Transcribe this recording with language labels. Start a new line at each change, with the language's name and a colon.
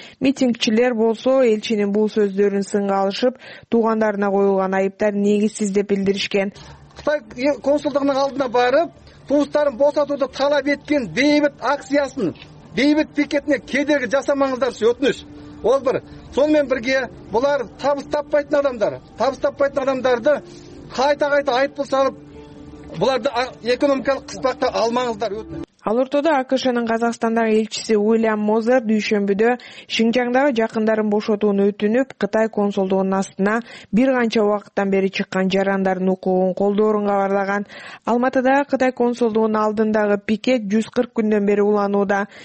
Kyrgyz: Митингчилер болсо элчинин бул сөздөрүн сынга алышып, туугандарына коюлган айыптар негизсиз деп билдиришкен. Кытай консулдугунун алдына барып, туустарын босатууну талап эткен бейбит акциясын, бейбит пикетине кедерги жасамаңыздарчы өтүнүш.
Kazakh: Ол бир. Сонымен бірге бұлар табыс таппайтын адамдар. Табыс таппайтын адамдарды қайта-қайта айыппұл салып, бұларды экономикалық қыспаққа алмаңыздар.
Kyrgyz: Ал ортодо АКШнын Казакстандагы элчиси Уильям Мозер дүйшөмбүдө Шинжаңдагы жакындарын бошотууну өтүнүп, Кытай консулдугунун астына бир канча убакыттан бери чыккан жарандардын укугун колдоорун кабарлаган. Алматыдагы Кытай консулдугунун алдындагы пикет 140 күндөн бери уланууда.